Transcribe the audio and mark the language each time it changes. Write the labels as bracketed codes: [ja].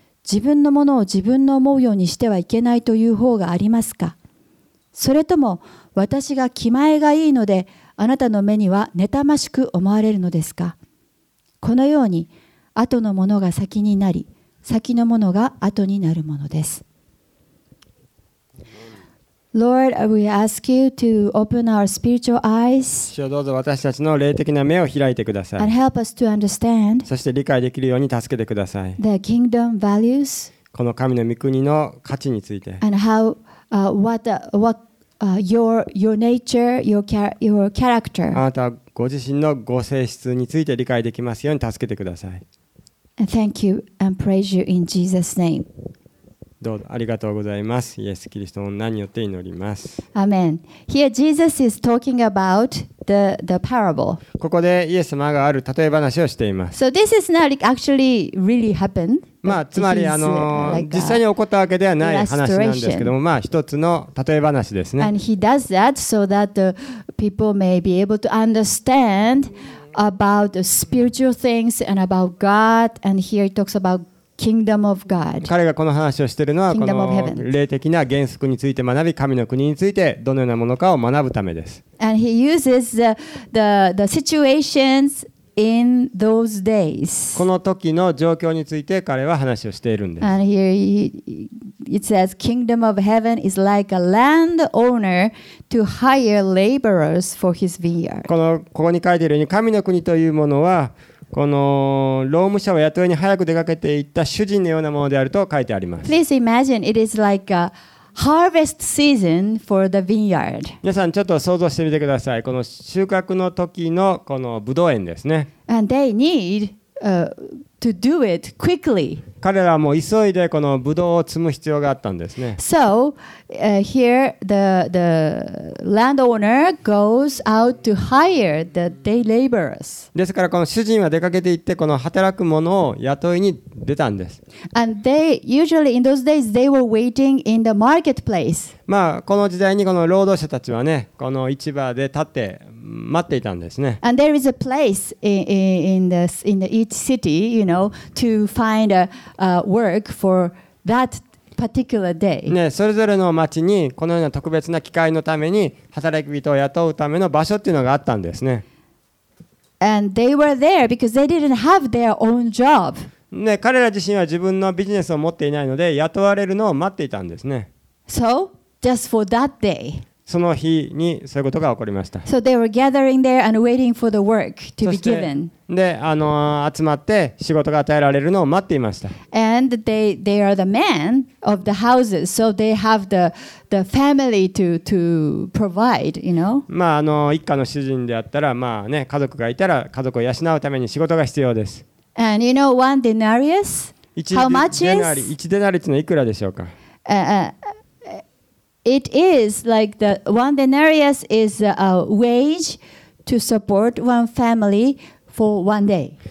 [ja] 自分のものを自分の思うようにしてはいけないという方がありますか。それとも私が気前がいいのであなたの目には妬ましく思われるのですか。このように後のものが先になり先のものが後になるものです。 [en] Lord, we ask you to open our spiritual eyes. [ja] 主よ、どうぞ私たちの霊的な目を開いてください。 [en] And help us to understand. [ja] そして理解できるように助けてください。 [en] The kingdom values. [ja] この神の御国の価値について。 [en] And how, your nature, your character. [ja] あなたご自身のご性質について理解できますように助けてください。 [en] And thank you and praise you in Jesus' name. [ja] どうぞありがとうございます。イエス・キリストの名によって祈ります。 [en] Amen. Here Jesus is talking about the parable. [ja] ここでイエス様がある例え話をしています。 [en] So this is not actually really happened. [ja] まあつまり実際に起こったわけではない話なんですけども、まあ一つの例え話ですね。 [en] And he does that so that the people may be able to understand. about the spiritual things and about God, and here he talks about kingdom of God. [ja] 彼がこの話をしているのはこの霊的な原則について学び、神の国についてどのようなものかを学ぶためです。 [en] And he uses the situations in those days. [ja] この時の状況について彼は話をしているんです。 [en] And here it says, kingdom of heaven is like a landowner to hire laborers for his vineyard. [ja] ここに書いているように、神の国というものはこの労務者を雇いに早く出かけていった主人のようなものであると書いてあります。 [en] Please imagine it is like a harvest season for the vineyard. [ja] 皆さんちょっと想像してみてください。この収穫の時のこのブドウ園ですね。 [en] And they need to do it quickly. [ja] 彼らはもう急いでこのブドウを摘む必要があったんですね。 [en] So here the landowner goes out to hire the day laborers. [ja] ですからこの主人は出かけて行ってこの働く者を雇いに出たんです。 [en] And they usually in those days they were waiting in the marketplace. [ja] まあこの時代にこの労働者たちはね、この市場で立って待っていたんですね。 [en] And there is a place in the each city, you know, to find a work for that particular day. [ja] ね、それぞれの町にこのような特別な機会のために働き人を雇うための場所っていうのがあったんですね。 [en] And they were there because they didn't have their own job. [ja] ね、彼ら自身は自分のビジネスを持っていないので雇われるのを待っていたんですね。 [en] So just for that day. [ja] その日にそういうことが起こりました。 [en] So they were gathering there and waiting for the work to be given. [ja] で、集まって仕事が与えられるのを待っていました。 [en] And they are the men of the houses, so they have the family to provide, you know. [ja] まあ一家の主人であったら、まあね、家族がいたら家族を養うために仕事が必要です。 [en] And you know one denarius? How much is? [ja] 一デナリスのいくらでしょうか。 [en] It is like the one denarius is a wage to support one family for one day.